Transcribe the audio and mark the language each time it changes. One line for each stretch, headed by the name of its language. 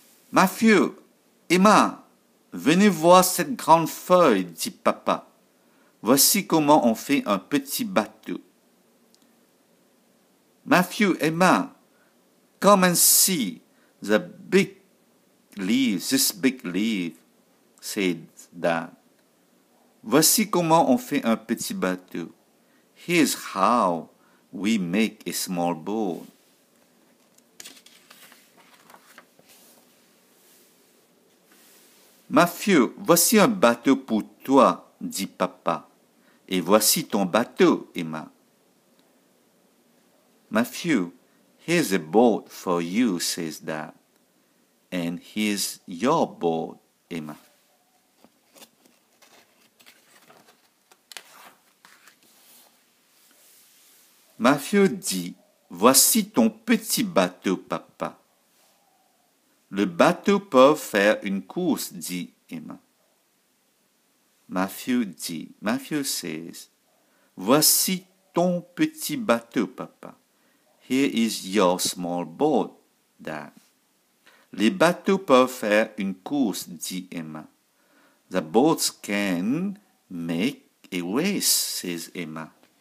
French: Matthew, Emma, venez voir cette grande feuille, dit papa. Voici comment on fait un petit bateau.
English: Matthew, Emma, come and see the big leaves, this big leaf, said Dad.
French: Voici comment on fait un petit bateau.
English: Here's how we make a small boat.
French: Matthew, voici un bateau pour toi, dit papa. Et voici ton bateau, Emma.
English: Matthew, here's a boat for you, says Dad. And here's your boat, Emma.
French: Matthew dit, voici ton petit bateau, papa. Le bateau peut faire une course, dit Emma. Matthew says, voici ton petit bateau, papa.
English: Here is your small boat, Dad.
French: Les bateaux peuvent faire une course, dit Emma.
English: The boats can make a race, says Emma.